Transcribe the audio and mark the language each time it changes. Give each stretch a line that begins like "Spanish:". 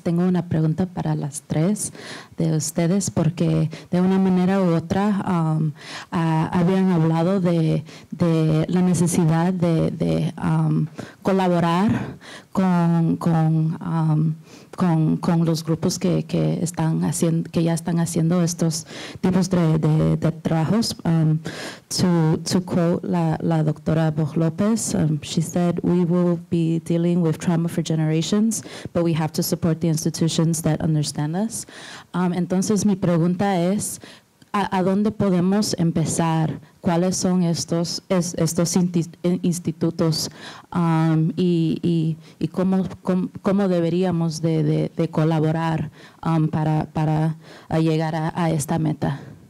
Spanish: Tengo una pregunta para las tres de ustedes porque de una manera u otra habían hablado de la necesidad de colaborar con los grupos que ya están haciendo estos tipos de trabajos.
English: To quote la doctora Boj López, she said, "We will be dealing with trauma for generations, but we have to support the institutions that understand us."
Spanish: Entonces, mi pregunta es, ¿a dónde podemos empezar? ¿Cuáles son estos institutos y cómo deberíamos de colaborar para llegar a esta meta?